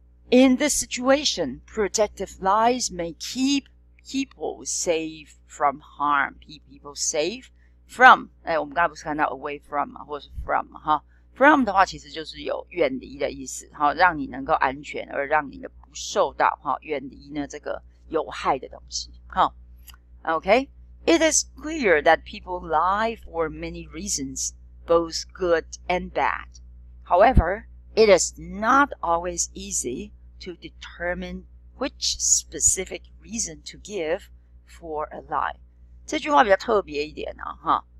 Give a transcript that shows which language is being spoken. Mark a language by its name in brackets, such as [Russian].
[English] In this situation, protective lies may keep people safe from harm. Keep people safe from， [Chinese] 哎，我们刚才不是看到 away from 吗？或者是 from 吗？哈。 From 的话其实就是有远离的意思，好，让你能够安全而让你的不受到，好，远离呢这个有害的东西，好。 [English] Okay. It is clear that people lie for many reasons, both good and bad. However, it is not always easy to determine which specific reason to give for a lie. [Chinese] 这句话比较特别一点啊，哈。